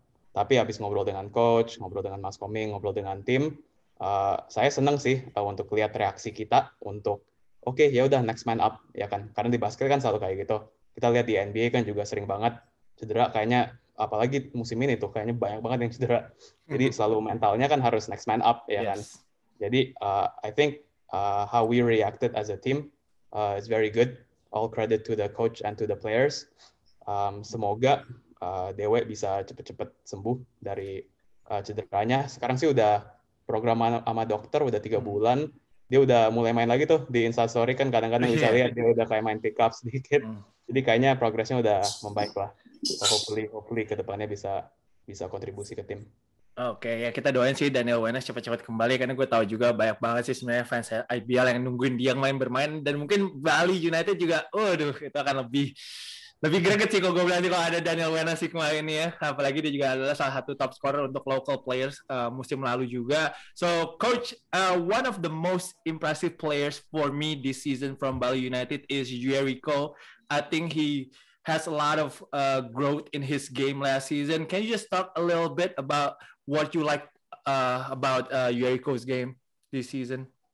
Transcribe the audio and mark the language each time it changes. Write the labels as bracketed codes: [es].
[id] Tapi habis ngobrol dengan coach, ngobrol dengan Mas Koming, ngobrol dengan tim, saya senang sih untuk lihat reaksi kita untuk, oke, okay, ya udah [en] next man up, [id] ya kan? Karena di basket kan selalu kayak gitu. Kita lihat di NBA kan juga sering banget cedera, kayaknya apalagi musim ini tuh kayaknya banyak banget yang cedera. Jadi selalu mentalnya kan harus [en] next man up, [id] ya kan? Yes. [en] Jadi I think how we reacted as a team is very good. All credit to the coach and to the players. [id] Semoga Dewe bisa cepet-cepet sembuh dari cederanya. Sekarang sih udah program sama dokter udah 3 bulan. Dia udah mulai main lagi tuh di Instastory kan kadang-kadang bisa lihat dia udah kayak main pick up sedikit. Jadi kayaknya progresnya udah membaik lah. Hopefully kedepannya bisa kontribusi ke tim. Oke, ya kita doain sih Daniel Wenas cepat-cepat kembali, karena gue tahu juga banyak banget sih sebenarnya fans IBL yang nungguin dia bermain, dan mungkin Bali United juga, waduh, itu akan lebih greget sih kalau gue bilang kalau ada Daniel Wenas sih kemarin ya, apalagi dia juga adalah salah satu top scorer untuk local players musim lalu juga. [en] So, coach, one of the most impressive players for me this season from Bali United is Jericho. I think he has a lot of growth in his game last season. Can you just talk a little bit about what you like about Jericho's game this season?